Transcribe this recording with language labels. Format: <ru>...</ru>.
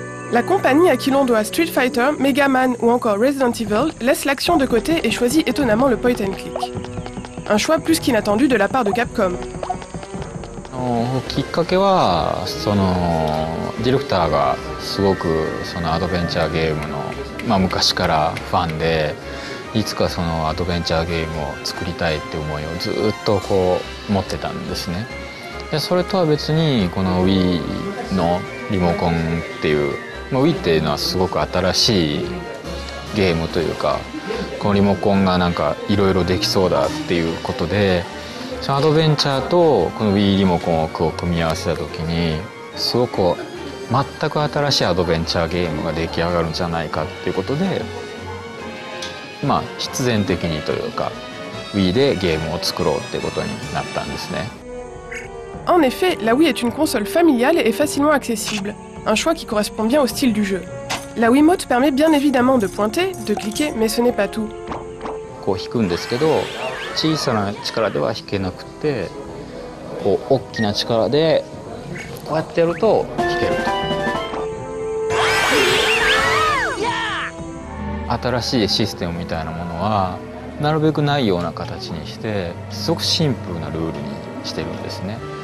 <fr>La compagnie à qui l'on doit Street Fighter, Mega Man ou encore Resident Evil laisse l'action de côté et choisit étonnamment le point and click. Un choix plus qu'inattendu de la part de Capcom.</fr> <ja>きっかけはそのディレクターがすごくそのアドベンチャーゲームの、まあ、昔からファンでいつかそのアドベンチャーゲームを作りたいって思いをずっとこう持ってたんですね。でそれとは別にこの Wii のリモコンっていう、まあ、Wii っていうのはすごく新しいゲームというかこのリモコンがなんかいろいろできそうだっていうことで。アドベンチャーとこの Wii リモコンを組み合わせた時にすごく全く新しいアドベンチャーゲームが出来上がるんじゃないかっていうことでまあ必然的にというか Wii でゲームを作ろうってことになったんですね。</ja> <fr>En effet, la Wii est une console familiale et facilement accessible, un choix qui correspond bien au style du jeu. La Wiimote permet bien évidemment de pointer, de cliquer, mais ce n'est pas tout.</fr> <ja>こう引くんですけど小さな力では弾けなくて、こう大きな力でこうやってやると弾けると。新しいシステムみたいなものはなるべくないような形にして、すごくシンプルなルールにしてるんですね。</ja>